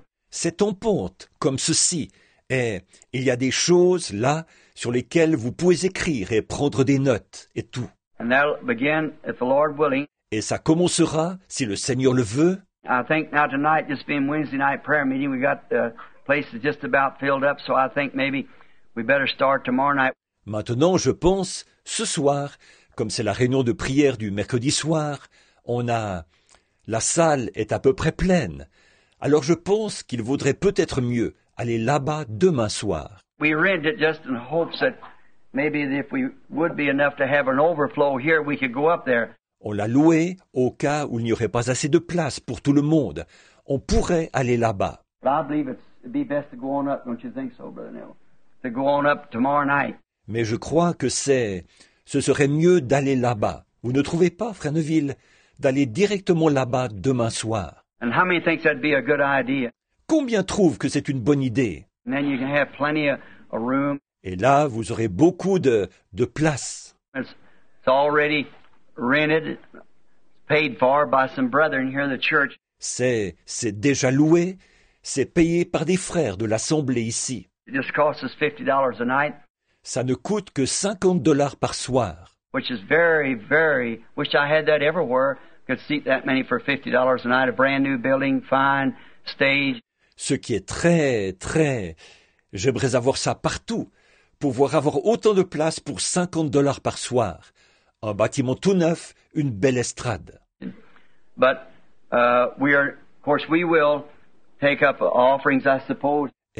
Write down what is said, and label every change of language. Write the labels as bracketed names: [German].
[French] C'est en pente, comme ceci, et il y a des choses là sur lesquelles vous pouvez écrire et prendre des notes et tout. [English] And that'll begin, if the Lord willing. [French] Et ça commencera, si le Seigneur le veut. [English] I think now tonight, this being Wednesday night prayer meeting, we got the place is just about filled up, so I think maybe we better start tomorrow night. [French] Maintenant, je pense, ce soir, comme c'est la réunion de prière du mercredi soir, la salle est à peu près pleine. Alors je pense qu'il vaudrait peut-être mieux aller là-bas demain soir. [English] We rent it just in hopes that maybe if we would be enough to have an overflow here, we could go up there. [French] On l'a loué au cas où il n'y aurait pas assez de place pour tout le monde. On pourrait aller là-bas. [English] It'd be best to go on up, don't you think so, Brother Neville? To go on up tomorrow night. [French] Mais je crois que ce serait mieux d'aller là-bas. Vous ne trouvez pas, Frère Neville, d'aller directement là-bas demain soir? [English] And how many think that'd be a good idea? [French] Combien trouvent que c'est une bonne idée? [English] And then you can have plenty of room. [French] Et là, vous aurez beaucoup de place. [English] It's already rented, paid for by some brethren here in the church. [French] C'est déjà loué. C'est payé par des frères de l'assemblée ici. [English] It just costs us $50 a night. [French] Ça ne coûte que $50 par soir. [English] Which is very, very, wish I had that everywhere. Could seat that many for $50 a night, a brand new building, fine, stage. [French] Ce qui est très, très, j'aimerais avoir ça partout. Pouvoir avoir autant de place pour $50 par soir. Un bâtiment tout neuf, une belle estrade. [English] But, we are, of course, we will... Take up offerings, I suppose.